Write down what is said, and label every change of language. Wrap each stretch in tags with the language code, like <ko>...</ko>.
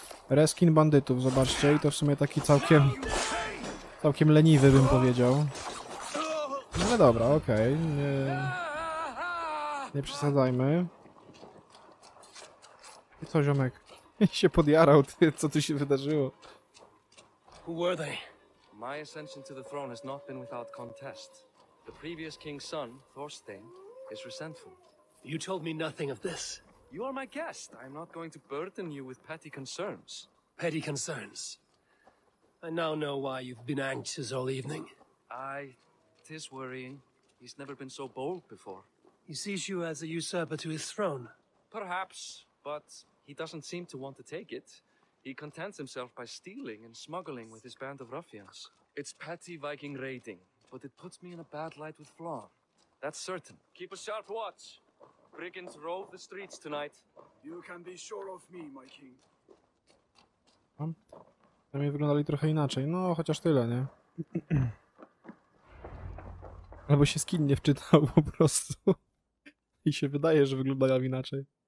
<pl>Reskin bandytów, zobaczcie, i to w sumie taki całkiem... Całkiem leniwy bym powiedział. No ale dobra, okej. Okay. Nie przesadzajmy. I co, ziomek? Się podjarał, ty, co tu się wydarzyło?</pl> <en>Who were they? My ascension to the throne has not been without contest. The previous king's son, Thorstein, is resentful. You told me nothing of this. You are my guest. I am not going to burden you with petty concerns. Petty concerns? I now know why you've been anxious all evening. Tis worrying. He's never been so bold before. He sees you as a usurper to his throne. Perhaps, but he doesn't seem to want to take it. He contents himself by stealing and smuggling with his band of ruffians. It's petty Viking raiding, but it puts me in a bad light with Flan. That's certain. Keep a sharp watch. Brigands rove the streets tonight. You can be sure of me, my king.</en> <pl>Tam wyglądali trochę inaczej, no chociaż tyle, nie? Albo się skin nie wczytał po prostu. I się wydaje, że wyglądają inaczej.</pl>